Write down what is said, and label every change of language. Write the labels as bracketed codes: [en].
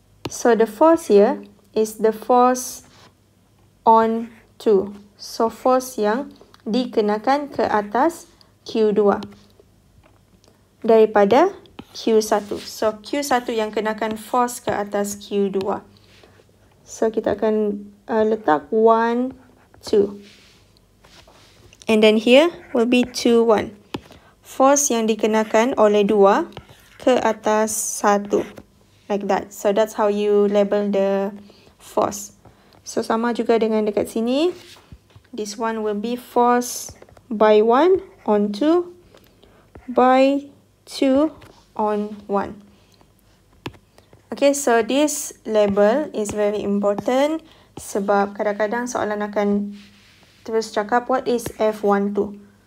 [en] So, the force here is the force on 2. [ms] So, force yang dikenakan ke atas Q2 daripada Q1. So, Q1 yang kenakan force ke atas Q2. So, kita akan letak 1, 2. [en] And then here will be 2, 1. [ms] Force yang dikenakan oleh 2 ke atas 1. [en] Like that. So, that's how you label the force. [ms] So, sama juga dengan dekat sini. [en] This one will be force by 1 on 2 by 2 on 1. Okay, so this label is very important [ms] sebab kadang-kadang soalan akan terus cakap [en] what is F12.